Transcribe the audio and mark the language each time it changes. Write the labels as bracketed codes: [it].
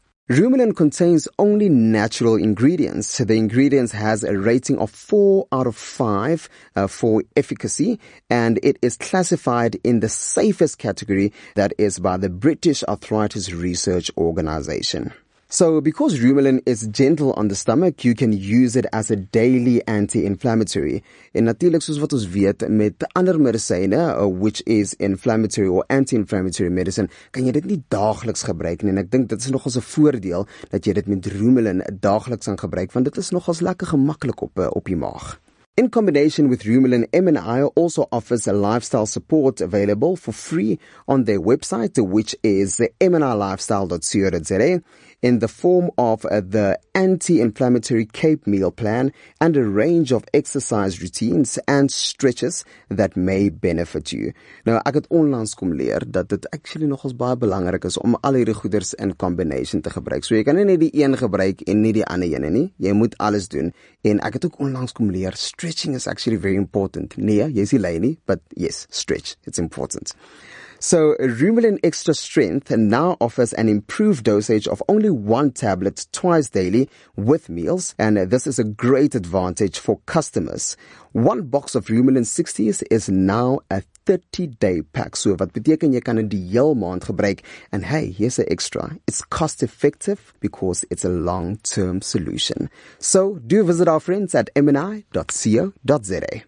[en] Rumelin contains only natural ingredients. The ingredients has a rating of 4 out of 5 for efficacy, and it is classified in the safest category, that is by the British Arthritis Research Organization. So because Rumelin is gentle on the stomach, you can use it as a daily anti-inflammatory. [af] En natuurlik soos wat ons weet met ander medisyne, [en] which is inflammatory or anti-inflammatory medicine, [af] kan jy dit nie daagliks gebruik nie. En ek dink dit is nogals 'n voordeel dat jy dit met Rumelin daagliks kan gebruik, want dit is nogals lekker gemaklik op die maag. [en] In combination with Rumelin, M&I also offers a lifestyle support available for free on their website, which is mnilifestyle.co.za, in the form of the anti-inflammatory Cape meal plan and a range of exercise routines and stretches that may benefit you. [af] Nou, ek het onlangs kom leer dat dit actually nogals baie belangrik is om al hierdie goeders in combination te gebruik. So jy kan nie net die een gebruik en nie die ander ene nie. Jy moet alles doen. En ek het ook onlangs kom leer stretching is [en] actually very important. [af] Nee, jy is die lei nie, [en] but yes, stretch, it's important. So Rumelin Extra Strength now offers an improved dosage of only 1 tablet twice daily with meals, and this is a great advantage for customers. 1 box of Rumelin 60s is now a 30-day pack. [af] So wat beteken, jy kan dit die hele maand gebruik, [en] and hey, here's an extra. It's cost-effective because it's a long-term solution. So do visit our friends at mni.co.za.